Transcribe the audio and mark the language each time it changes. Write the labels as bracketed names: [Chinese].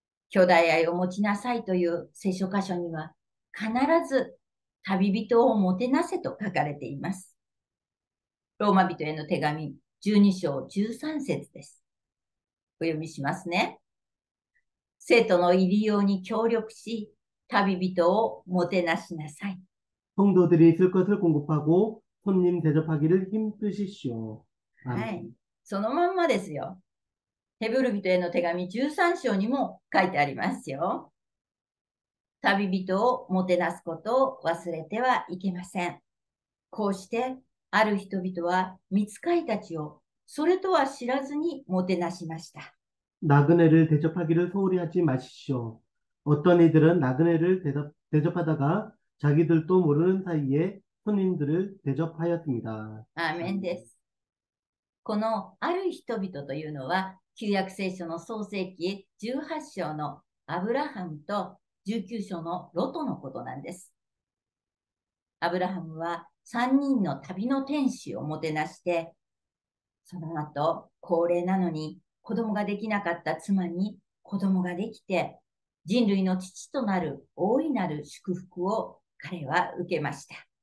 [Japanese] 兄弟愛を持ちなさいという聖書箇所には必ず旅人をもてなせと書かれています。ローマ人への手紙12章13節です。お読みしますね。生徒の入り用に協力し、旅人をもてなしなさい。 [Korean] 성도들이 있을 것을 공급하고 손님 대접하기를 힘쓰십시오. 아멘. [Japanese] はい。そのまんまですよ。ヘブル人への手紙13章にも書いてありますよ。旅人をもてなすことを忘れてはいけません。こうして、ある人々は御使いたちをそれとは知らずにもてなしました。 [Korean] 나그네를 대접하기를 소홀히 하지 마십시오. 어떤 이들은 나그네를 대접하다가 자기들도 모르는 사이에 손님들을 대접하였습니다. [Japanese] 아멘です。このある人々というのは、旧約聖書の創世記18章のアブラハムと19章のロトのことなんです。アブラハムは3人の旅の天使をもてなして、その後、高齢なのに子供ができなかった妻に子供ができて、人類の父となる大いなる祝福を彼は受けました。